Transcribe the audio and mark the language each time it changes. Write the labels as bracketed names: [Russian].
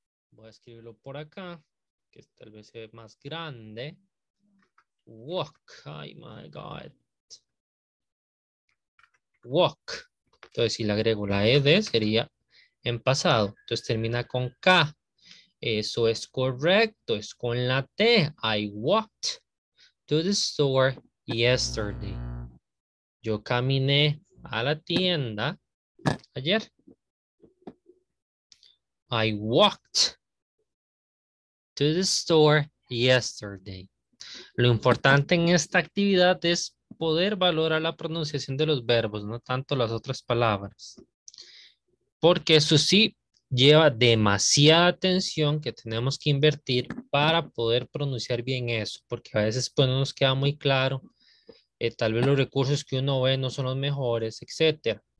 [Spanish] Voy a escribirlo por acá, que tal vez se ve más grande. Walk. [English] Ay, my God. [Spanish] Walk. Entonces, si le agrego la ed, sería en pasado. Entonces, termina con k. Eso es correcto. Es con la t. [English] I walked to the store yesterday. [Spanish] Yo caminé a la tienda ayer. [English] I walked to the store yesterday. [Spanish] Lo importante en esta actividad es poder valorar la pronunciación de los verbos, no tanto las otras palabras. Porque eso sí lleva demasiada atención que tenemos que invertir para poder pronunciar bien eso. Porque a veces pues, no nos queda muy claro. Tal vez los recursos que uno ve no son los mejores, etc.